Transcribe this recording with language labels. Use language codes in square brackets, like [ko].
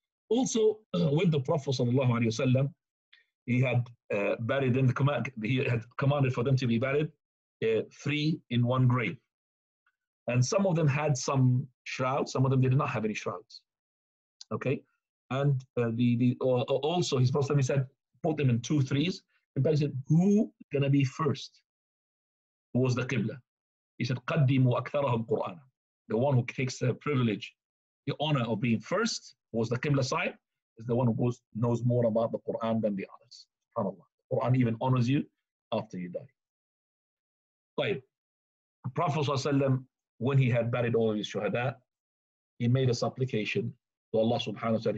[en] Also, with the Prophet sallallahu alaihi wasallam, he had buried in the command, he had commanded for them to be buried, 3 in one grave. And some of them had some shrouds, some of them did not have any shrouds. Okay? And also, his Prophet he said, put them in 2 threes. And then he said, who going to be first? Who was the Qibla? He said, [ar] قَدِّمُوا أَكْثَرَهُمْ قُرْآنًا. [en] The one who takes the privilege, the honor of being first, was the Qibla side, is the one who knows more about the Qur'an than the others. SubhanAllah. The Qur'an even honors you after you die. [ar] طيب. [en] The Prophet ﷺ, when he had buried all of his shuhada, he made a supplication to Allah subhanahu wa ta'ala.